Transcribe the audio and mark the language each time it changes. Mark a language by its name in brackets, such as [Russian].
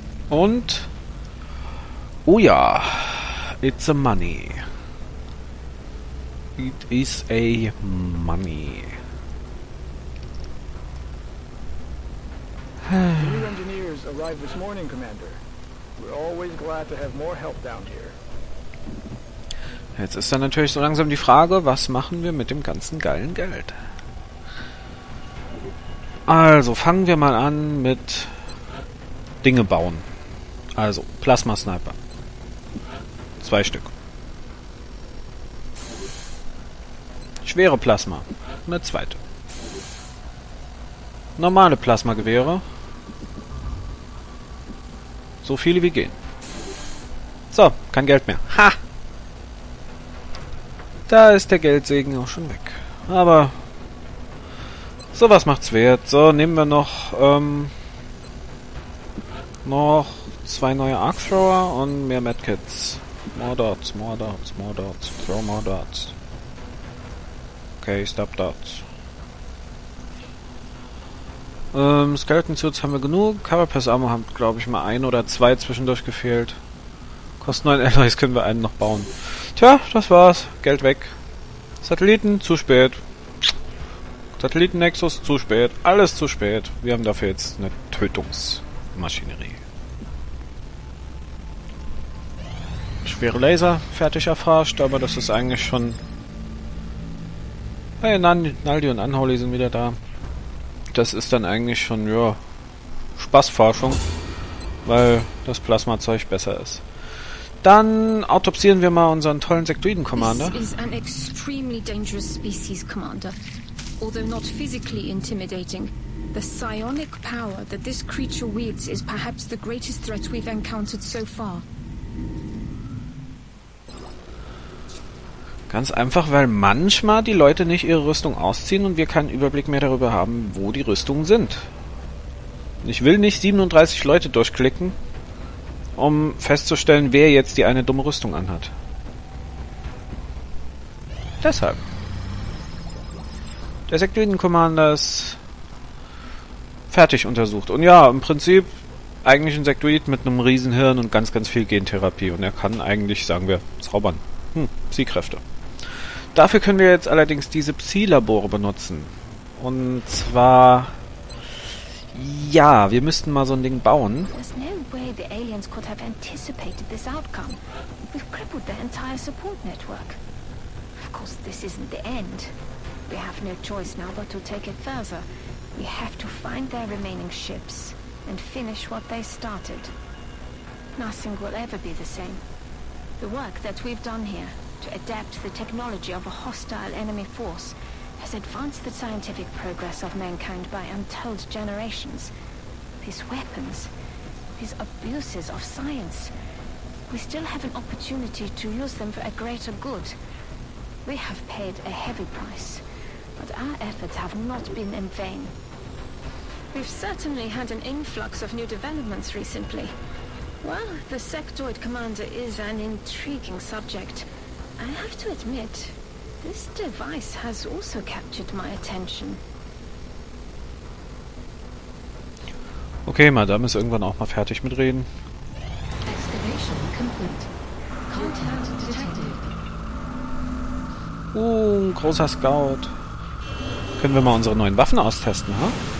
[German] Und oh ja, [English] it's a money. It is a money. The new engineers arrived this morning, Commander. We're always glad to have more help down here. [German] Jetzt ist dann natürlich so langsam die Frage, was machen wir mit dem ganzen geilen Geld? Also, fangen wir mal an mit Dinge bauen. Also, Plasma-Sniper. Zwei Stück. Schwere Plasma. Eine zweite. Normale Plasmagewehre. So viele wie gehen. So, kein Geld mehr. Ha! Da ist der Geldsegen auch schon weg. Aber sowas macht's wert. So, nehmen wir noch noch zwei neue Arcthrower und mehr Medkits. [English] More Dots, More Dots, More Dots. Throw More Dots. Okay, Stop Dots. [German] Skeleton Suits haben wir genug. Carapace Armor haben, glaube ich, mal ein oder zwei zwischendurch gefehlt. Kostet 9 Alloys, können wir einen noch bauen. Tja, das war's. Geld weg. Satelliten, zu spät. Satelliten-Nexus, zu spät. Alles zu spät. Wir haben dafür jetzt eine Tötungsmaschinerie. Schwere Laser, fertig erforscht, aber das ist eigentlich schon... Hey, Naldi und Unholy sind wieder da. Das ist dann eigentlich schon, ja, Spaßforschung, weil das Plasmazeug besser ist. Dann autopsieren wir mal unseren tollen Sektoiden-Commander. [English] This is an extremely dangerous species, Commander. Although not physically intimidating, the psionic power that this creature wields is perhaps the greatest threat we've encountered so far. [German] Ganz einfach, weil manchmal die Leute nicht ihre Rüstung ausziehen und wir keinen Überblick mehr darüber haben, wo die Rüstungen sind. Ich will nicht 37 Leute durchklicken, um festzustellen, wer jetzt die eine dumme Rüstung anhat. Deshalb. Der Sektoiden-Commander ist fertig untersucht. Und ja, im Prinzip eigentlich ein Sektoid mit einem Riesenhirn und ganz, ganz viel Gentherapie. Und er kann eigentlich, sagen wir, zaubern. Psi-Kräfte. Dafür können wir jetzt allerdings diese Psi-Labore benutzen. Und zwar... Ja, wir müssten mal so ein Ding bauen. [English] There's no way the aliens could have anticipated this outcome. We've crippled their entire support network. Of course, this isn't the end. We have no choice now but to take it further. We have to find their remaining ships and finish what they started. Nothing will ever be the same. The work that we've done here to adapt the technology of a hostile enemy force has advanced the scientific progress of mankind by untold generations. These weapons, these abuses of science, we still have an opportunity to use them for a greater good. We have paid a heavy price, but our efforts have not been in vain. We've certainly had an influx of new developments recently. Well, the Sectoid Commander is an intriguing subject. I have to admit, this device has also captured my attention. [German] Okay, Madame ist irgendwann auch mal fertig mit reden. [English] Excavation complete. Contact detected. [German] Ein großer Scout. Können wir mal unsere neuen Waffen austesten, ha? Huh?